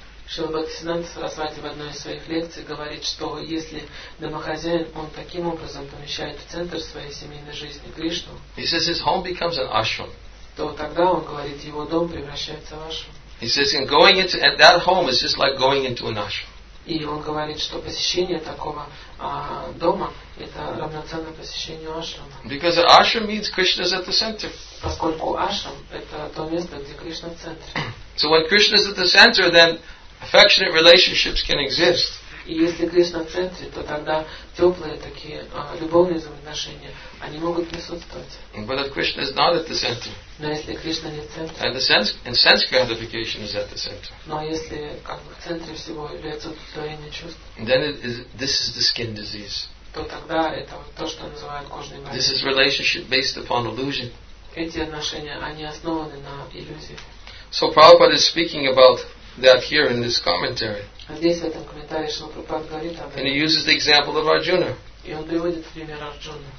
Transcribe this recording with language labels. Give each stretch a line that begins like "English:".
Russian: Шрила Бхактисиддханта Сарасвати в одной из своих лекций говорит, что если домохозяин, он таким образом помещает в центр своей семейной жизни Кришну,
English: he says his home becomes an ashram.
Russian: То тогда, он говорит, его дом превращается в ашрам.
English: He says, and going into and that home is just like going into an ashram.
Russian: И он говорит, что посещение такого дома это равноценно посещению ашрама.
English: Because an ashram means Krishna is at the center.
Russian: Поскольку ашрам это то место, где Кришна в центре.
English: So when Krishna is at the center, then affectionate relationships can exist.
Russian: И если Кришна в центре, то тогда теплые такие любовные взаимоотношения они могут присутствовать.
English: But if Krishna is not at the center.
Russian: Но если Кришна не в центре.
English: And the sense gratification is at the center.
Russian: Но если как бы в центре всего является удовлетворение чувств.
English: Then this is the skin disease.
Russian: То тогда это то, что называют кожной болезнью.
English: This is relationship based upon illusion.
Russian: Эти отношения они основаны на иллюзии.
English: So Prabhupada is speaking about that here in this commentary.
Russian: Здесь в этом комментарии Шрила Прабхупада говорит об этом.
English: And he uses the example of Arjuna.
Russian: И он приводит пример Арджуны.